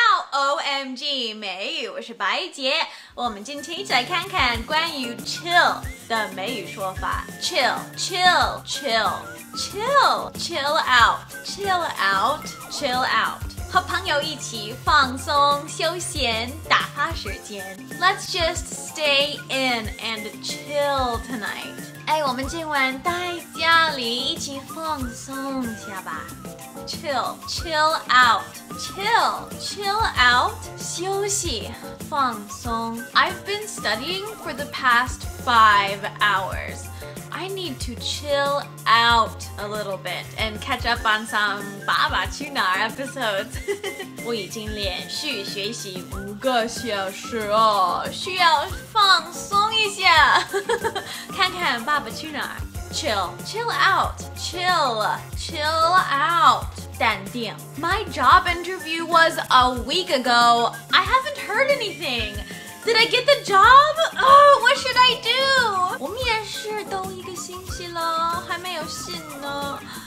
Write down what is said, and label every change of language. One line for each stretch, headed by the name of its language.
Chinese: OMG 美语，我是白杰。我们今天一起来看看关于 chill 的美语说法。 chill out， 和朋友一起放松休闲打发时间。
English: Let's just stay in and chill tonight。
Chinese: 哎，我们今晚在家里一起放松一下吧。 Chill out, 休息，放松。
English: I've been studying for the past 5 hours. I need to chill out a little bit and catch up on some 爸爸去哪儿 episodes.
Chinese: 我已经连续学习5个小时哦，需要放松一下，看看爸爸去哪儿。
English: Chill out.
Chinese: 淡定。
English: My job interview was a week ago. I haven't heard anything. Did I get the job? Oh, what should I do?
Chinese: 我面试都一个星期了，还没有信呢。